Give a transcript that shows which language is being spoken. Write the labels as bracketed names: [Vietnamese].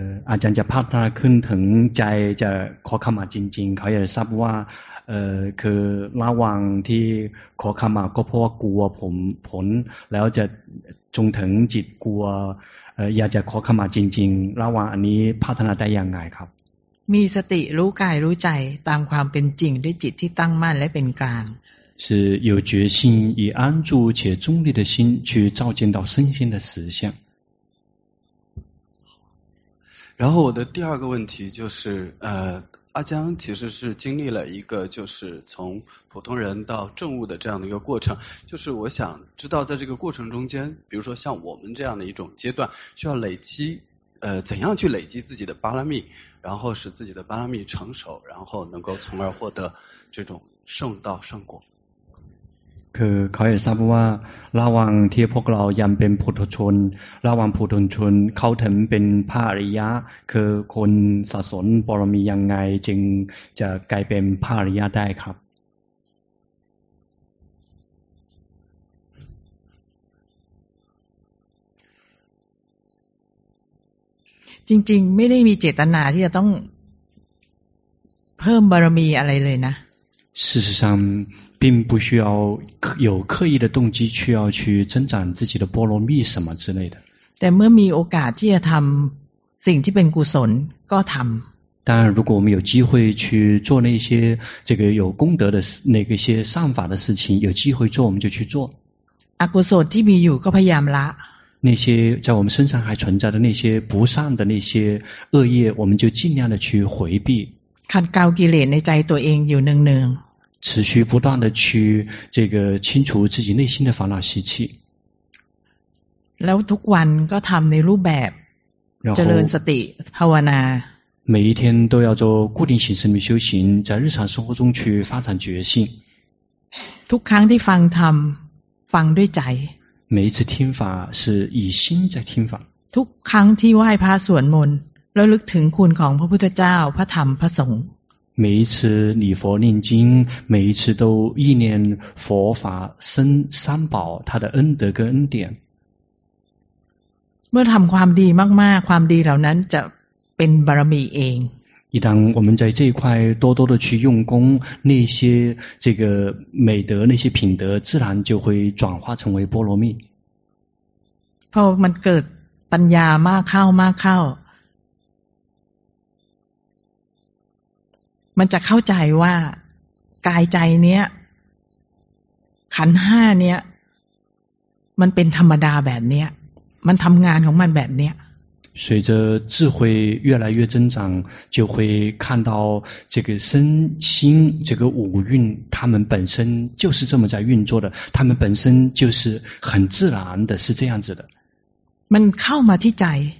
[Thai] อาจารย์จะพัฒนาขึ้นถึงใจจะขอขมาจริงๆเขาอยากทราบว่าคือระวังที่ขอขมาก็เพราะว่ากลัวผลแล้วจะจงถึงจิตกลัวอยากจะขอขมาจริงๆระหว่างอันนี้พัฒนาได้อย่างไรครับ มีสติรู้กายรู้ใจตามความเป็นจริงด้วยจิตที่ตั้งมั่นและเป็นกลาง [Chinese] 是有决心以安住且中立的心去照见到身心的实相然后我的第二个问题就是阿江其实是经历了一个就是从普通人到正悟的这样的一个过程就是我想知道在这个过程中间比如说像我们这样的一种阶段需要累积怎样去累积自己的巴拉蜜，然后使自己的巴拉蜜成熟，然后能够从而获得这种圣道圣果。 [Thai] คือเขาทราบว่าระหว่างที่พวกเรายังเป็นปุถุชนระหว่างปุถุชนเขาถึงเป็นพระอริยะคือคนสะสมบารมียังไงจึงจะกลายเป็นพระอริยะได้ครับ จริงๆไม่ได้มีเจตนาที่จะต้องเพิ่มบารมีอะไรเลยนะ [Chinese] 事实上并不需要有刻意的动机需要去增长自己的波罗蜜什么之类的 [Thai] แต่เมื่อมีโอกาสที่จะทำสิ่งที่เป็นกุศลก็ทำ [Chinese] 当然如果我们有机会去做那些这个有功德的那个些善法的事情有机会做我们就去做 [Thai] อกุศลที่มีอยู่ก็พยายามละ [Chinese] 那些在我们身上还存在的那些不善的那些恶业我们就尽量的去回避 [Thai] ขัดเกลากิเลสในใจตัวเองอยู่เนือง [Chinese] ๆ持续不断的去这个清除自己内心的烦恼习气 [Thai] แล้วทุกวันก็ทำในรูปแบบเจริญสติภาวนา [Chinese] 每一天都要做固定形式的修行在日常生活中去发展觉性 [Thai] ทุกครั้งที่ฟังธรรมฟังด้วยใจ [Chinese] 每一次听法是以心在听法 [Thai] ทุกครั้งที่ไหว้พระสวดมนต์แล้วลึกถึงคุณของพระพุทธเจ้าพระธรรมพระสงฆ์ [Chinese] 每一次礼佛念经每一次都忆念佛法僧三宝他的恩德跟恩典 [Thai] เมื่อทำความดีมากๆความดีเหล่านั้นจะเป็นบารมีเอง [Chinese] 一旦我们在这一块多多的去用功那些这个美德那些品德自然就会转化成为波罗蜜 [Thai] เพราะมันเกิดปัญญามากเข้ามากเข้ามันจะเข้าใจว่ากายใจเนี้ยขันห้าเนี้ยมันเป็นธรรมดาแบบเนี้ยมันทำงานของมันแบบเนี้ย [Chinese] 随着智慧越来越增长就会看到这个身心这个五蕴他们本身就是这么在运作的他们本身就是很自然的是这样子的 [Thai] มันเข้ามาที่ใจ